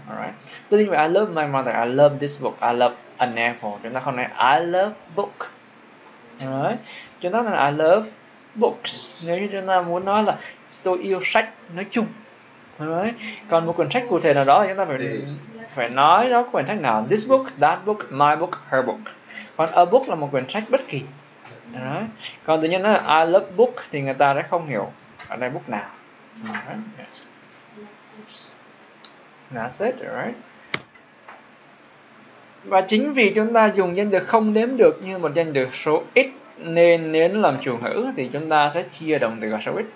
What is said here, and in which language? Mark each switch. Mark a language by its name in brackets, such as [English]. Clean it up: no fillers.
[English] Alright. [Vietnamese] Tuy nhiên, [English] I love my mother. I love this book. I love an apple. [Vietnamese] Chúng ta không nói [English] I love book. [Vietnamese] Alright. Chúng ta nói [English] I love books. [Vietnamese] Nếu như chúng ta muốn nói là tôi yêu sách nói chung. Đấy. Còn một quyển sách cụ thể nào đó thì chúng ta phải nói đó quyển sách nào. [English] This book, that book, my book, her book. [Vietnamese] Còn a book là một quyển sách bất kỳ. Đấy. Còn tự nhiên nói là [English] I love book [Vietnamese] thì người ta đã không hiểu ở đây book nào. Yes. [English] That's it, right? [Vietnamese] Và chính vì chúng ta dùng danh từ không đếm được như một danh từ số ít, nên nếu làm chủ ngữ thì chúng ta sẽ chia động từ số ít.